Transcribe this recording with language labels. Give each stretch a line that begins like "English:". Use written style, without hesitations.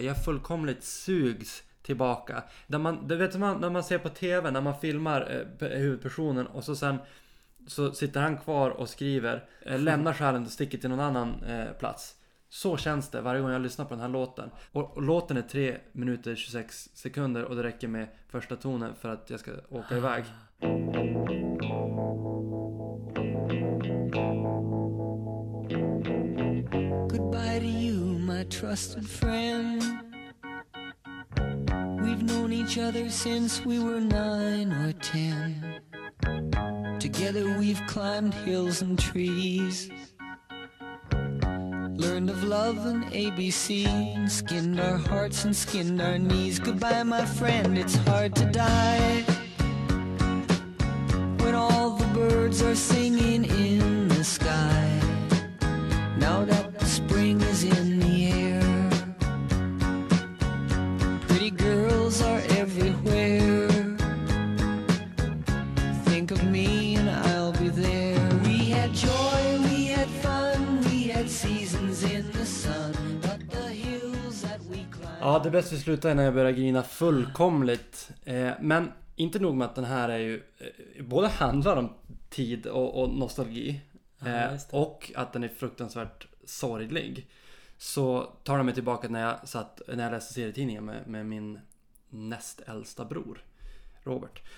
Swedish: Jag fullkomligt sugs tillbaka. Där man, det vet man, när man ser på TV, när man filmar huvudpersonen och så sen så sitter han kvar och skriver, lämnar själen och sticker till någon annan plats. Så känns det varje gång jag lyssnar på den här låten. Och låten är 3 minuter 26 sekunder och det räcker med första tonen för att jag ska åka iväg.
English: Goodbye to you, my trusted friend. We've known each other since we were 9 or 10. Together we've climbed hills and trees, learned of love and ABC, and skinned our hearts and skinned our knees. Goodbye, my friend, it's hard to die when all the birds are singing in the sky. Now that the spring is in the air, pretty girls are everywhere. Think of me and I'll be there. We had joy, we had fun, we had seasons in the sun, but the hills that we climbed.
Swedish: Ja, det bästa vi slutar när jag börjar grina fullkomligt. Men inte nog med att den här är ju både handlar om tid och nostalgi. Och att den är fruktansvärt sorglig, så tar den mig tillbaka när jag läste serietidningen med min näst äldsta bror Robert.